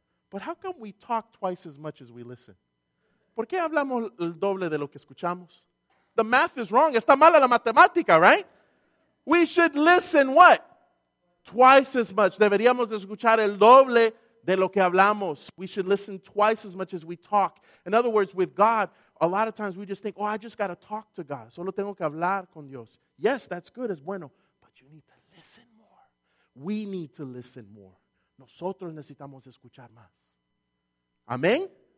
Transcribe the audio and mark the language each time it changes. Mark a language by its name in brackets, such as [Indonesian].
[English] But how come we talk twice as much as we listen? [Spanish] ¿Por qué hablamos el doble de lo que escuchamos? [English] The math is wrong. [Spanish] Está mala la matemática, [English] right? We should listen what? Twice as much. [Spanish] Deberíamos escuchar el doble de lo que hablamos. [English] We should listen twice as much as we talk. In other words, with God, a lot of times we just think, oh, I just got to talk to God. [Spanish] Solo tengo que hablar con Dios. [English] Yes, that's good, [Spanish] es bueno. [English] But you need to listen more. We need to listen more. [Spanish] Nosotros necesitamos escuchar más. [English] Amen?